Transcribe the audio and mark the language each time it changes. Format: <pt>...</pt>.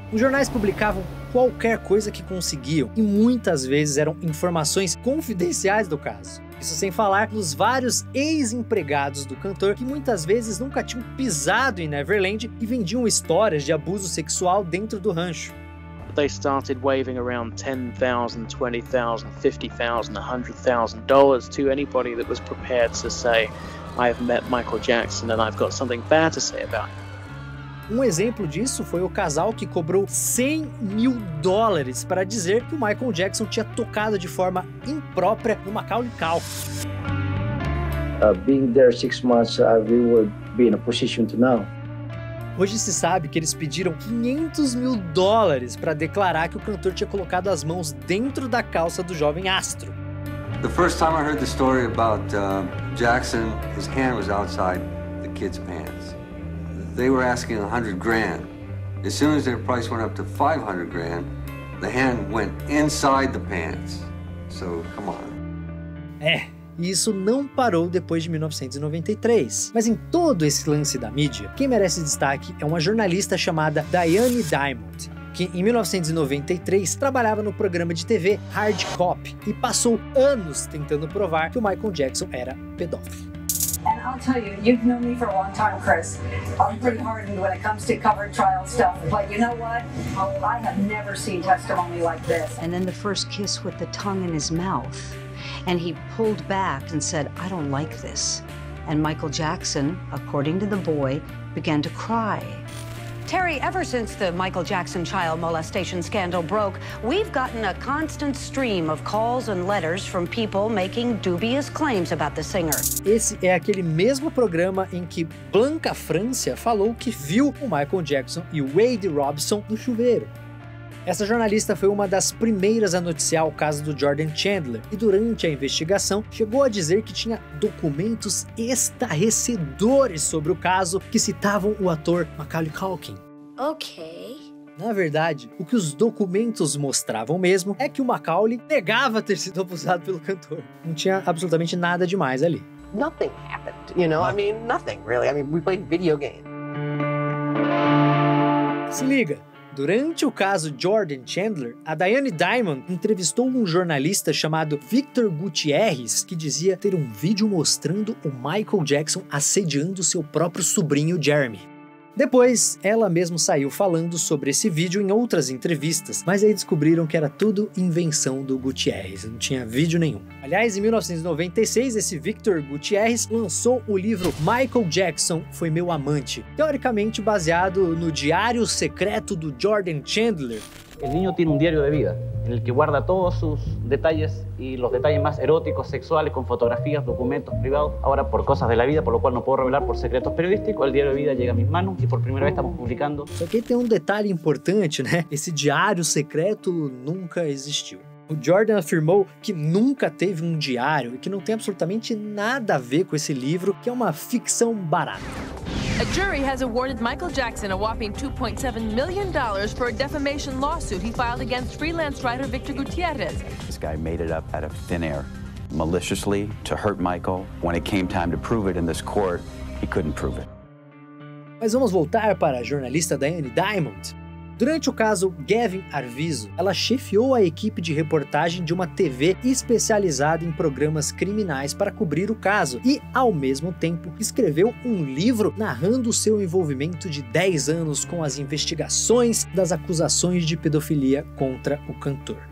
<pt>Os jornais publicavam qualquer coisa que conseguiam e muitas vezes eram informações confidenciais do caso. Isso sem falar dos vários ex-empregados do cantor que muitas vezes nunca tinham pisado em Neverland e vendiam histórias de abuso sexual dentro do rancho.</pt> <en>They started waving around $10,000, $20,000, $50,000, $100,000 to anybody that was prepared to say, I have met Michael Jackson and I've got something bad to say about him.</en> <pt>Um exemplo disso foi o casal que cobrou $100,000 para dizer que o Michael Jackson tinha tocado de forma imprópria no Macaulay Culkin.</pt> <en>Being there 6 months, we would be in a position to know.</en> <pt>Hoje se sabe que eles pediram $500,000 para declarar que o cantor tinha colocado as mãos dentro da calça do jovem astro.</pt> <en>The first time I heard the story about Jackson, his hand was outside the kid's pants. They were asking 100 grand. As soon as their price went up to 500 grand, the hand went inside the pants. So, come on.</en> <pt>E isso não parou depois de 1993. Mas em todo esse lance da mídia, quem merece destaque é uma jornalista chamada Diane Diamond, que em 1993 trabalhava no programa de TV Hard Cop e passou anos tentando provar que o Michael Jackson era pedófilo.</pt> <en>And I'll tell you, you've known me for a long time, Chris. I'm pretty hardened when it comes to covering trial stuff. But you know what? I have never seen testimony like this. And then the first kiss with the tongue in his mouth. And he pulled back and said, I don't like this. And Michael Jackson, according to the boy, began to cry. Terry, ever since the Michael Jackson child molestation scandal broke, we've gotten a constant stream of calls and letters from people making dubious claims about the singer.</en> <pt>Esse é aquele mesmo programa em que Blanca França falou que viu o Michael Jackson e o Wade Robson no chuveiro. Essa jornalista foi uma das primeiras a noticiar o caso do Jordan Chandler e durante a investigação chegou a dizer que tinha documentos estarrecedores sobre o caso que citavam o ator Macaulay Culkin. Ok. Na verdade, o que os documentos mostravam mesmo é que o Macaulay negava ter sido abusado pelo cantor. Não tinha absolutamente nada demais ali.</pt> <en>Nothing happened, you know? I mean, nothing really. I mean, we played video games.</en> <pt>Se liga. Durante o caso Jordan Chandler, a Diane Diamond entrevistou um jornalista chamado Victor Gutierrez, que dizia ter um vídeo mostrando o Michael Jackson assediando seu próprio sobrinho Jeremy. Depois, ela mesma saiu falando sobre esse vídeo em outras entrevistas, mas aí descobriram que era tudo invenção do Gutierrez, não tinha vídeo nenhum. Aliás, em 1996, esse Victor Gutierrez lançou o livro Michael Jackson Foi Meu Amante, teoricamente baseado no diário secreto do Jordan Chandler.</pt> <es>El niño tiene un diario de vida en el que guarda todos sus detalles y los detalles más eróticos, sexuales, con fotografías, documentos privados. Ahora, por cosas de la vida, por lo cual no puedo revelar por secretos periodísticos, el diario de vida llega a mis manos y por primera vez estamos publicando.</es> <pt>Só que tem um detalhe importante, né? Esse diário secreto nunca existiu. O Jordan afirmou que nunca teve um diário e que não tem absolutamente nada a ver com esse livro, que é uma ficção barata.</pt> <en>A jury has awarded Michael Jackson a whopping $2.7 million for a defamation lawsuit he filed against freelance writer Victor Gutierrez. This guy made it up out of thin air, maliciously, to hurt Michael. When it came time to prove it in this court, he couldn't prove it.</en> <pt>Mas vamos voltar para a jornalista Diane Diamond. Durante o caso Gavin Arvizo, ela chefiou a equipe de reportagem de uma TV especializada em programas criminais para cobrir o caso e, ao mesmo tempo, escreveu um livro narrando o seu envolvimento de 10 anos com as investigações das acusações de pedofilia contra o cantor.</pt>